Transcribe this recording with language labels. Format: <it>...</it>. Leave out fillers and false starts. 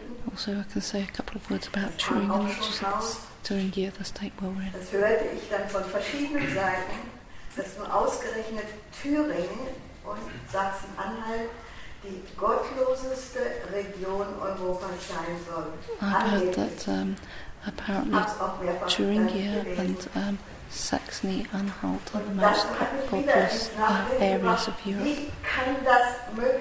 <en>Also, I can say a couple of words about Thuringia, which is Thuringia, the state where we're in.</en> <de>Das hörte ich dann von verschiedenen Seiten, dass nur ausgerechnet Thüringen und Sachsen-Anhalt die gottloseste Region Europas sein soll.</de> <en>I've heard that apparently Thuringia and Saxony-Anhalt are the most populous areas of Europe.</en>